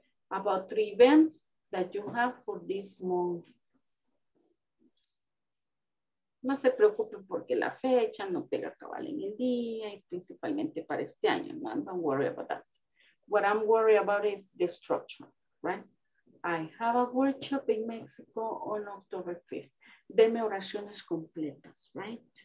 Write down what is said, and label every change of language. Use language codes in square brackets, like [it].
[en] About three events that you have for this month. [es] No se preocupen porque la fecha no pega cabal en el día y principalmente para este año. [en] No, don't worry about that. What I'm worried about is the structure, right? I have a workshop in Mexico on October 5th. [es] Deme oraciones completas, right?